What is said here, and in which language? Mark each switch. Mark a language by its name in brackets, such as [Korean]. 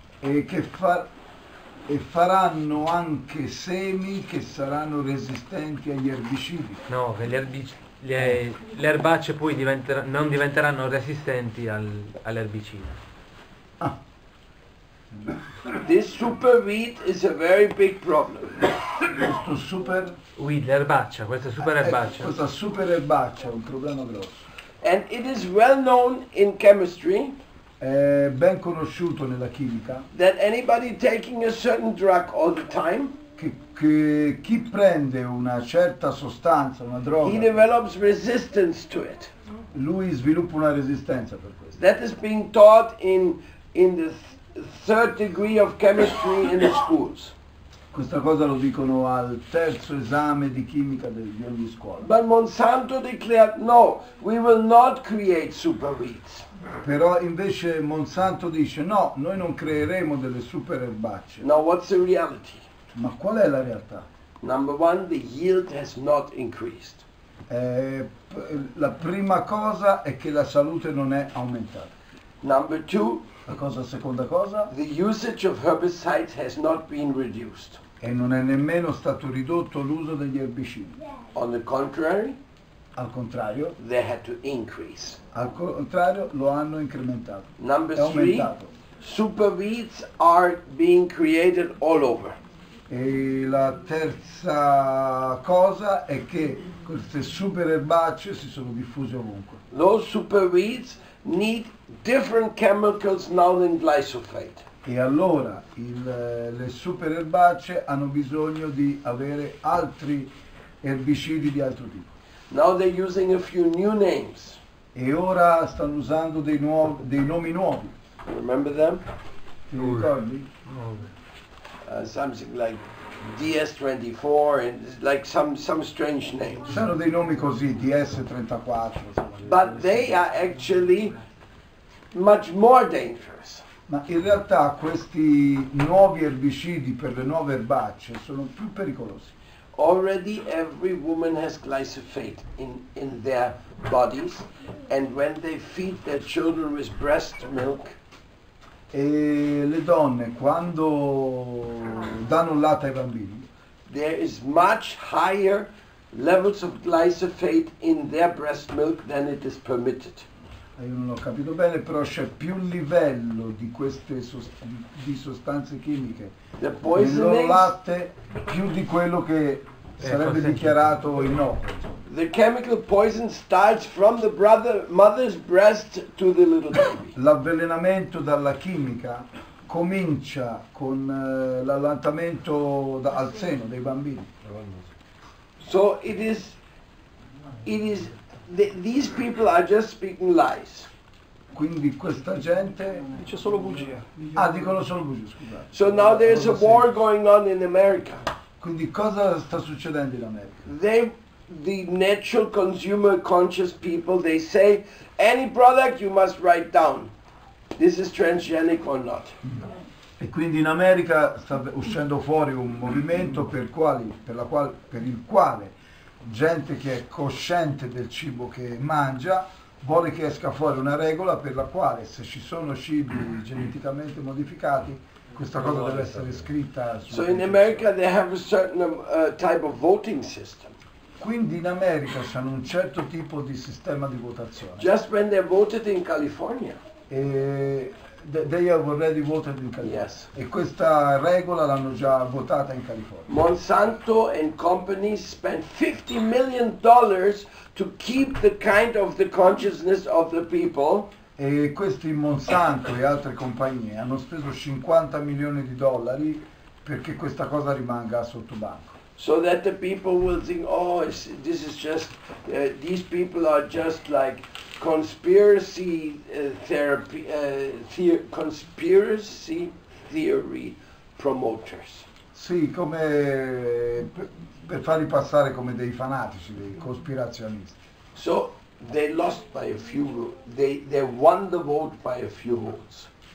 [Italian] E faranno anche semi che saranno resistenti agli erbicidi. No, che le erbacce poi non diventeranno resistenti all'erbicida. Ah. [English] This super weed is a very big problem. [Italian] Questo super weed, l'erbaccia, questa super erbaccia. Questa super erbaccia è un problema grosso. [English] And it is well known in chemistry. [Italian] È ben conosciuto nella chimica. [English] That anybody taking a certain drug all the time. [Italian] Che chi prende una certa sostanza, una droga. [English] He develops resistance to it. [Italian] Lui sviluppa una resistenza per questo. [English] That is being taught in the third degree of chemistry in the schools. [Italian] Questa cosa lo dicono al terzo esame di chimica di ogni scuola. [English] But Monsanto declared, no, we will not create super weeds. [Italian] Però invece Monsanto dice, no, noi non creeremo delle super erbacce. [English] Now what's the reality? [Italian] Ma qual è la realtà? [English] Number one, the yield has not increased. [Italian] La prima cosa è che la salute non è aumentata. [English] Number two, [Italian] la cosa, seconda cosa, [English] the usage of herbicides has not been reduced. [Italian] E non è nemmeno stato ridotto l'uso degli erbicidi. [English] On the contrary, [Italian] al contrario, [English] they had to increase. [Italian] Al contrario, lo hanno incrementato. [English] Number three, super weeds are being created all over. [Italian] E la terza cosa è che queste super erbacce si sono diffuse ovunque. [English] Those super weeds need different chemicals now than glyphosate. [Italian] E allora le super erbacce hanno bisogno di avere altri erbicidi di altro tipo. [English] Now they're using a few new names. [Italian] E ora stanno usando dei nomi nuovi. [English] Remember them? [Italian] Ti ricordi? [English] Something like DS24 and like some strange names. [Italian] Sono dei nomi così, DS34. [English] But they are actually much more dangerous. [Italian] Ma in realtà questi nuovi erbicidi per le nuove erbacce sono più pericolosi. [English] Already every woman has glyphosate in their bodies, and when they feed their children with breast milk. [Italian] E le donne quando danno latte ai bambini, [English] there is much higher levels of glyphosate in their breast milk than it is permitted. [Italian] Io non ho capito bene, però c'è più livello di queste di sostanze chimiche nel loro latte più di quello che sarebbe dichiarato innocuo. [English] The chemical poison starts from the mother's breast to the little baby. [Italian] L'avvelenamento dalla chimica comincia con l'allattamento al seno dei bambini. [English] So these people are just speaking lies. [Italian] Quindi questa gente dice solo bugie. Ah, dicono solo bugie, scusate. [English] So now there's a war going on in America. [Italian] Quindi cosa sta succedendo in America? [English] The natural consumer conscious people, they say any product you must write down, this is transgenic or not. [Italian] E quindi in America sta uscendo fuori un movimento per il quale gente che è cosciente del cibo che mangia vuole che esca fuori una regola per la quale se ci sono cibi geneticamente modificati questa cosa deve essere scritta. [English] So in America they have a certain type of voting system. [Italian] Quindi in America hanno un certo tipo di sistema di votazione. [English] Just when they voted in California. E they have already voted in California. Yes. [Italian] E questa regola l'hanno già votata in California. [English] Monsanto and company spent $50 million to keep the kind of the consciousness of the people. [Italian] E questi Monsanto e altre compagnie hanno speso [English] $50 million [Italian] perché questa cosa rimanga sotto banco. [English] So that the people will think, oh, this is just, these people are just like conspiracy theory promoters. [Italian] Sì, come per farli passare come dei fanatici, dei cospirazionisti. [English] So they lost by a few, they won the vote by a few votes.